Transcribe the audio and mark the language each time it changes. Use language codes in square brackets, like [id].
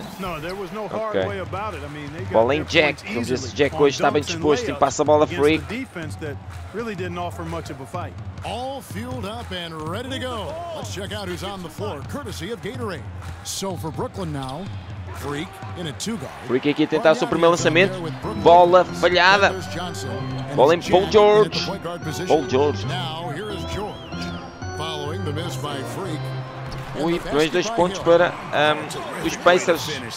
[en] No, there was no hard way about it. I mean, they got ball in Jack. [pt] Vamos ver se Jack hoje está bem disposto e passa a bola Freak. [en] Defense that really didn't offer much of a fight. All fueled up and ready to go. Let's check out who's on the floor, courtesy of Gatorade. So for Brooklyn now, Freak in a two-guard. [pt] Freak aqui a tentar o seu primeiro lançamento. Bola falhada. Bola em Paul George. Paul George. [en] Now here is George. Following the miss by Freak. [pt] Ui, mais dois pontos para os Pacers.